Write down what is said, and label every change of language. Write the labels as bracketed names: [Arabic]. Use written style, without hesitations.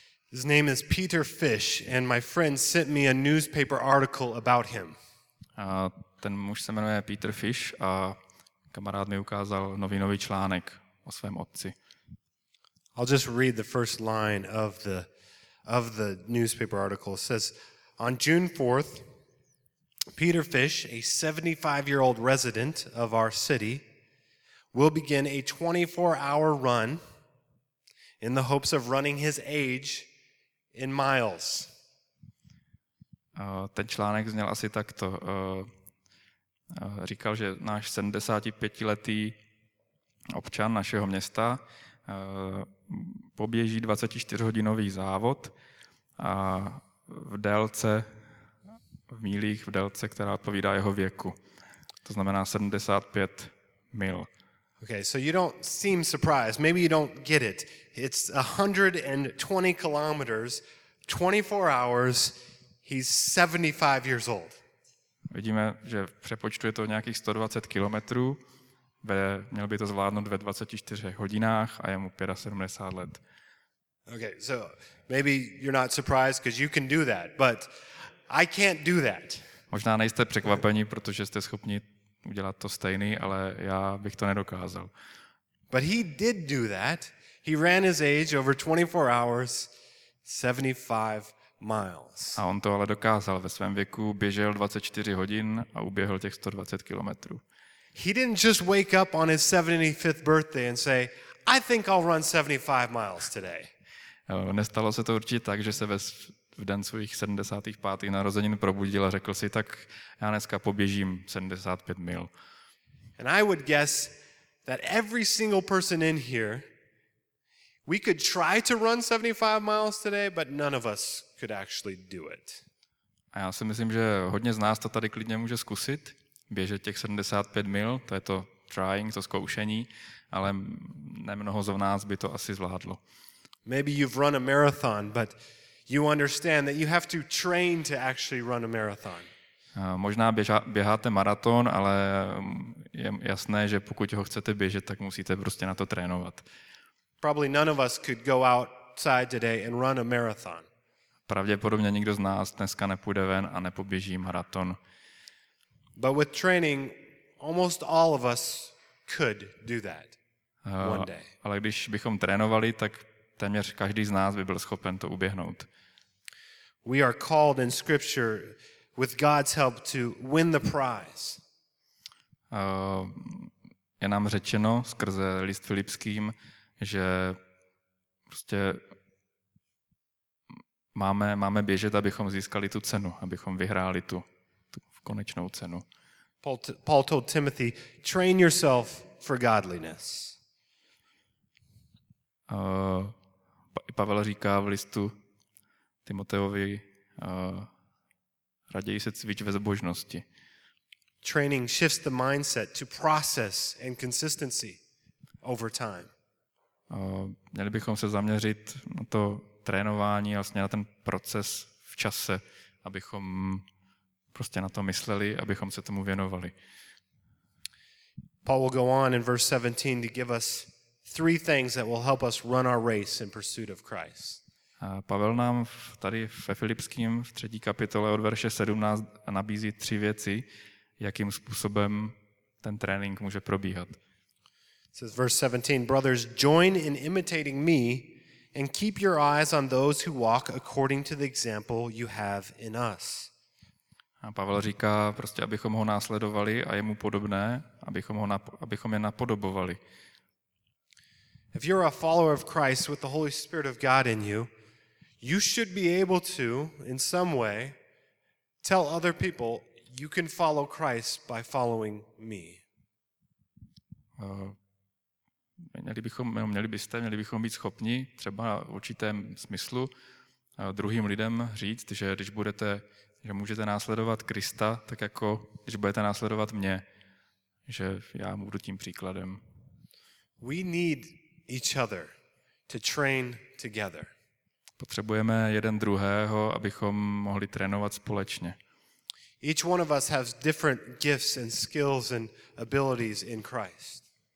[English] His name is Peter Fish and my friend sent me a newspaper article about him. [Czech] A ten muž se jmenuje Peter Fish a kamarád mi ukázal novinový článek o svém otci. [English] I'll just read the first line of the newspaper article. It says, on June 4th, Peter Fish, a 75-year-old resident of our city, will begin a 24-hour run in the hopes of running his age in miles. [Czech] Ten článek zněl asi takto. Říkal, že náš 75-letý občan našeho města poběží 24-hodinový závod a v mílích, v délce, která odpovídá jeho věku. To znamená 75 mil. [English] Okay, so you don't seem surprised. Maybe you don't get it. It's 120 kilometers, 24 hours. He's 75 years old. [Czech] Vidíme, že v přepočtu je to nějakých 120 kilometrů. Měl by to zvládnout ve 24 hodinách a je mu 75 let. [English] Okay, so maybe you're not surprised because you can do that, but I can't do that. [Czech] Možná nejste překvapení, protože jste schopni udělat to stejný, ale já bych to nedokázal. [English] But he did do that. He ran his age over 24 hours, 75 miles. [Czech] A on to ale dokázal ve svém věku, běžel 24 hodin a uběhl těch 120 kilometrů. [English] He didn't just wake up on his 75th birthday and say, I think I'll run 75 miles today. [Czech] Nestalo se to určitě tak, že se ve v den svých 75. narozenin probudil a řekl si, tak já dneska poběžím 75 mil. [English] And I would guess that every single person in here, we could try to run 75 miles today, but none of us could actually do it. [Czech] A já si myslím, že hodně z nás to tady klidně může zkusit, běžet těch 75 mil, to je to trying, to zkoušení, ale nemnoho z nás by to asi zvládlo. [English] Maybe you've run a marathon, but you understand that you have to train to actually run a marathon. [Czech] Možná běháte maraton, ale je jasné, že pokud ho chcete běžet, tak musíte prostě na to trénovat. [English] Probably none of us could go outside today and run a marathon. [Czech] Pravděpodobně nikdo z nás dneska nepůjde ven a nepoběží maraton. [English] But with training, almost all of us could do that one day. [Czech] Ale když bychom trénovali, tak téměř každý z nás by byl schopen to uběhnout. [English] We are called in scripture with God's help to win the prize. [Czech] Je nám řečeno skrze list Filipským, že prostě máme běžet, abychom získali tu cenu, abychom vyhráli tu konečnou cenu. [English] Paul told Timothy, train yourself for godliness. [Czech] Pavel říká v listu Timoteovi, raději se cvič ve zbožnosti. [English] Training shifts the mindset to process and consistency over time. [Czech] Měli bychom se zaměřit na to trénování, vlastně na ten proces v čase, abychom prostě na to mysleli, abychom se tomu věnovali. [English] Paul will go on in verse 17 to give us three things that will help us run our race in pursuit of Christ. [Czech] Pavel nám tady ve Filipským v 3. kapitole od verše 17 nabízí tři věci, jakým způsobem ten trénink může probíhat. [English] It says verse 17, brothers, join in imitating me and keep your eyes on those who walk according to the example you have in us. [Czech] A Pavel říká prostě, abychom ho následovali a jemu podobné, abychom je napodobovali. [English] If you're a follower of Christ with the Holy Spirit of God in you, you should be able to, in some way, tell other people, you can follow Christ by following me. [Czech] Měli bychom být schopni třeba v určitém smyslu druhým lidem říct, že když budete, že můžete následovat Krista, tak jako když budete následovat mě, že já budu tím příkladem. [English] We need each other to train together. [Czech] Potřebujeme jeden druhého, abychom mohli trénovat společně. [English] Each one of us has different gifts and skills and abilities in Christ.